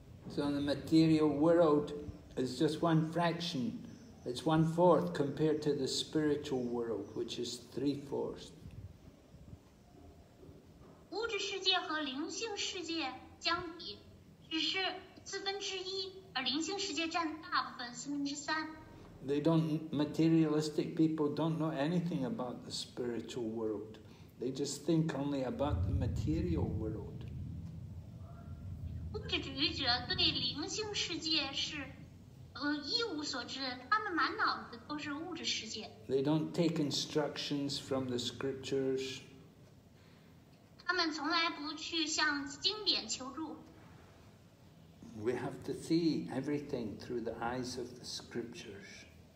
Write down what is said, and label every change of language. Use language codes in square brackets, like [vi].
[en] So the material world is just one fraction, it's 1/4 compared to the spiritual world, which is 3/4. [zh] 物质世界和灵性世界相比只是四分之一，而灵性世界占大部分，四分之三。 [en] They don't materialistic people don't know anything about the spiritual world. They just think only about the material world. [zh] 物质主义者对灵性世界是，一无所知，他们满脑子都是物质世界。 [en] They don't take instructions from the scriptures. [zh] 他们从来不去向经典求助。 [en] We have to see everything through the eyes of the scriptures.